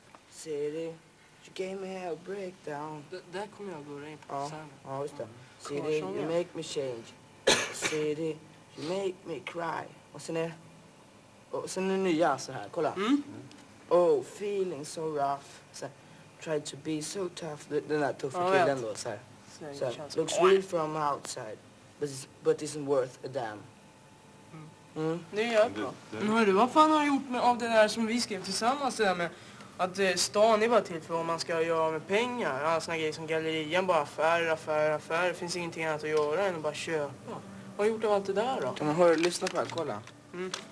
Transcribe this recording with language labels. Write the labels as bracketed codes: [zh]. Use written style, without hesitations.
[en] City, you gave me a breakdown. [sv] Där kommer jag gå in på sen. Ja, just det. [en] City, you make me change. City, you make me cry. [sv] Och sen är... Och sen är det nya så här, kolla. Mm. [en] Oh, feeling so rough. Så, tried to be so tough. [sv] Den där tuffa killen då, så här. [en] Så, looks real from outside, but isn't worth a damn. [sv] Nu gör jag bra. Men hörru, vad fan har du gjort med, av det där som vi skrev tillsammans? Det där med att stan är bara till för vad man ska göra med pengar. Alla såna grejer som gallerian, bara affär. Det finns ingenting annat att göra än att bara köpa. Vad har gjort av allt det där då? Kan man höra, lyssna på det här, kolla. Mm.